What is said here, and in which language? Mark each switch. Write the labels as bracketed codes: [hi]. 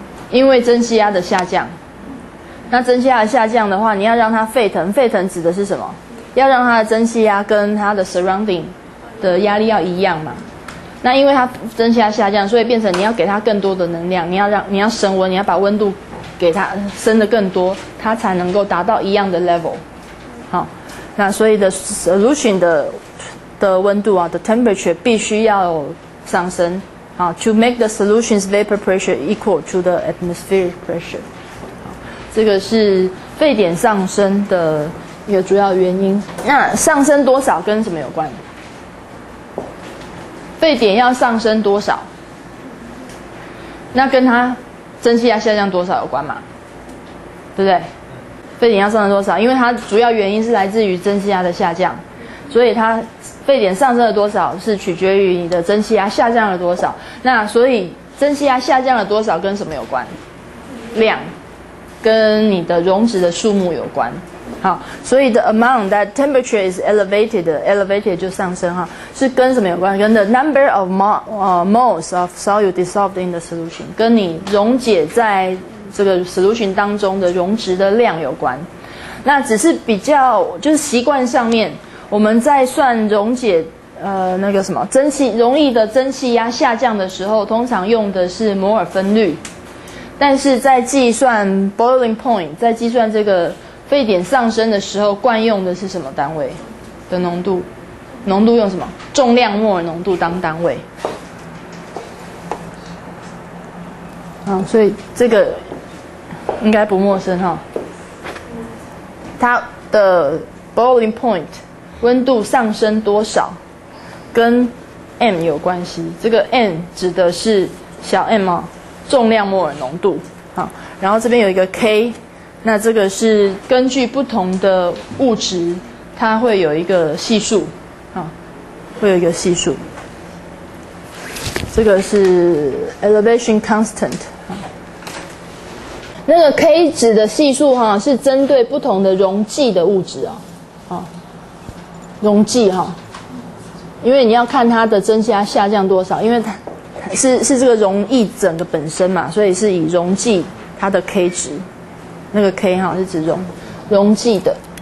[zh] 因为蒸汽压的下降。那蒸汽压的下降的话，你要让它沸腾，沸腾指的是什么？要让它的蒸汽压跟它的 surrounding 的压力要一样嘛。那因为它蒸汽压下降，所以变成你要给它更多的能量，你要升温，你要把温度给它升得更多，它才能够达到一样的 level。好，那所以的 [en] solution [zh] 的温度啊 [en] the temperature [zh] 必须要上升啊， [en] to make the solution's vapor pressure equal to the atmospheric pressure。 [zh] 好，这个是沸点上升的一个主要原因。那上升多少跟什么有关？沸点要上升多少，那跟它蒸汽压下降多少有关嘛，对不对？沸点要上升多少，因为它主要原因是来自于蒸汽压的下降，所以它沸点上升了多少是取决于你的蒸汽压下降了多少。那所以蒸汽压下降了多少跟什么有关？量，跟你的溶质的数目有关。好，所以 [en] the amount that temperature is elevated [zh] 就上升哈，是跟什么有关？跟 [en] the number of moles of solute dissolved in the solution， [zh] 跟你溶解在这个 solution 当中的溶质的量有关。那只是比较就是习惯上面，我们在算溶解那个什么蒸汽容易的蒸汽压下降的时候，通常用的是摩尔分率，但是在计算 boiling point， 在计算这个沸点上升的时候，惯用的是什么单位的浓度？浓度用什么？重量摩尔浓度当单位。啊，所以这个应该不陌生哈。它的 boiling point 温度上升多少，跟 m 有关系。这个 n 指的是小 m 哦，重量摩尔浓度。好，然后这边有一个 k， 那这个是根据不同的物质，它会有一个系数。好，会有一个系数。这个是 elevation constant。那个 K 值的系数哈，是针对不同的溶剂的物质啊，啊，溶剂哈，因为你要看它的蒸汽压下降多少，因为它是这个溶液整个本身嘛，所以是以溶剂它的 K 值，那个 K 哈是指溶剂的。